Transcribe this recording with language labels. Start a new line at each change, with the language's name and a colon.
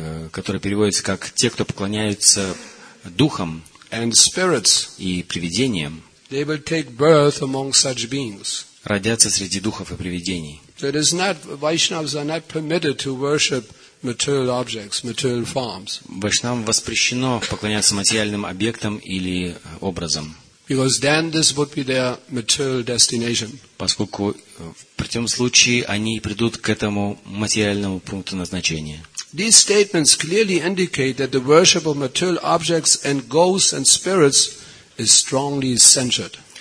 Russian: Который переводится как «те, кто поклоняются духам
English: and spirits,
Russian: и привидениям,
English: they will take birth among such beings.
Russian: Родятся среди духов и привидений».
English: So it is not, Vaishnavas are not permitted to worship material objects, material forms.
Russian: Вайшнавам воспрещено поклоняться материальным объектам или образам.
English: Because then this would be their material destination.
Russian: Поскольку в противном случае они придут к этому материальному пункту назначения.
English: These statements clearly indicate that the worship of material objects and ghosts and spirits is strongly censured.